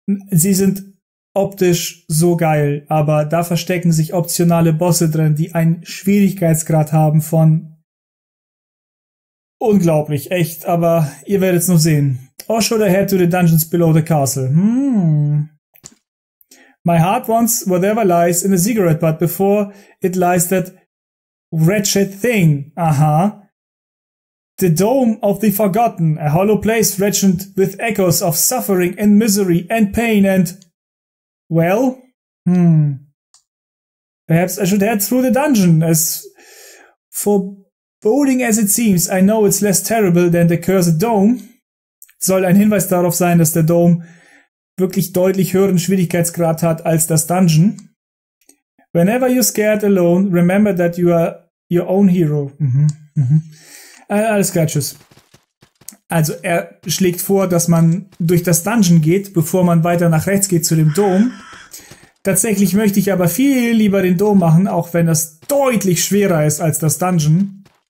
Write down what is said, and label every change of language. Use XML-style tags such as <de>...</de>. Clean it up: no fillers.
<de>Sie sind optisch so geil, aber da verstecken sich optionale Bosse drin, die einen Schwierigkeitsgrad haben von unglaublich, echt, aber ihr werdet's noch sehen.</de> <en>Or should I head to the dungeons below the castle? My heart wants whatever lies in a Ziggurat, but before it lies that wretched thing. Aha. The Dome of the Forgotten, a hollow place wretched with echoes of suffering and misery and pain and... Well? Perhaps I should head through the dungeon. As foreboding as it seems, I know it's less terrible than the cursed dome.</en> <de>Soll ein Hinweis darauf sein, dass der Dome wirklich deutlich höheren Schwierigkeitsgrad hat als das Dungeon.</de> <en>Whenever you're scared alone, remember that you are your own hero.</en> <de>Alles klar, tschüss. Also er schlägt vor, dass man durch das Dungeon geht, bevor man weiter nach rechts geht zu dem Dom. Tatsächlich möchte ich aber viel lieber den Dom machen, auch wenn das deutlich schwerer ist als das Dungeon.</de>